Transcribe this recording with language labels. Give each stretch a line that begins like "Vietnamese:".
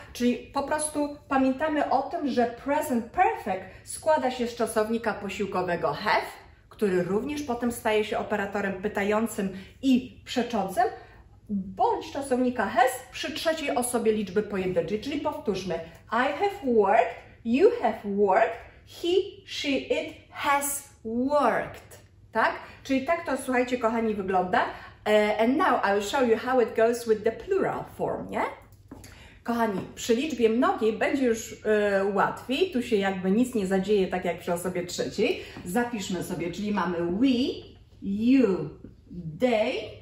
Polish: Czyli po prostu pamiętamy o tym, że present perfect składa się z czasownika posiłkowego have, który również potem staje się operatorem pytającym i przeczącym, bądź czasownika has przy trzeciej osobie liczby pojedynczej. Czyli powtórzmy,
English: I have worked, you have worked, he, she, it has worked, tak?
Polish: Czyli tak to, słuchajcie, kochani, wygląda.
English: And now I will show you how it goes with the plural form, nie?
Polish: Kochani, przy liczbie mnogiej będzie już łatwiej. Tu się jakby nic nie zadzieje, tak jak przy osobie trzeciej. Zapiszmy sobie, czyli mamy we, you, they.